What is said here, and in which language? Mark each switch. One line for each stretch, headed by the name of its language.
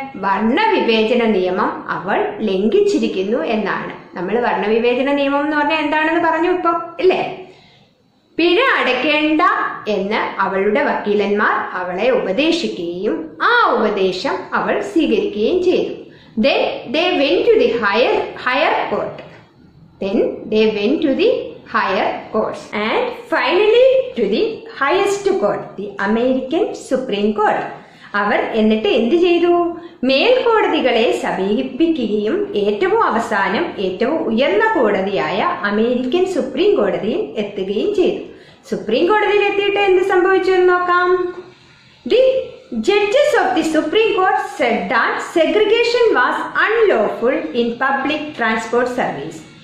Malayalam: വർണ്ണവിവേചന നിയമം അവൾ ലംഘിച്ചിരിക്കുന്നു എന്നാണ്. നമ്മൾ വർണ്ണവിവേചന നിയമം എന്ന് പറഞ്ഞാൽ എന്താണെന്ന് പറഞ്ഞു ഇപ്പൊ ഇല്ലേ. പിഴ അടയ്ക്കേണ്ട എന്ന് അവളുടെ വക്കീലന്മാർ അവളെ ഉപദേശിക്കുകയും ആ ഉപദേശം അവൾ സ്വീകരിക്കുകയും ചെയ്തു.
English: Then they went to the higher court. Then they went to the higher courts and finally to the highest court, the American Supreme Court.
Malayalam: അവർ എന്നിട്ട് എന്ത് ചെയ്തു? മേൽക്കോടതികളെ സമീപിക്കുകയും ഏറ്റവും അവസാനം ഏറ്റവും ഉയർന്ന കോടതിയായ അമേരിക്കൻ സുപ്രീം കോടതിയിൽ എത്തുകയും ചെയ്തു. സുപ്രീം കോടതിയിൽ എത്തിയിട്ട് എന്ത് സംഭവിച്ചു എന്ന് നോക്കാം.
English: The judges of the supreme court said that segregation was unlawful in public transport service.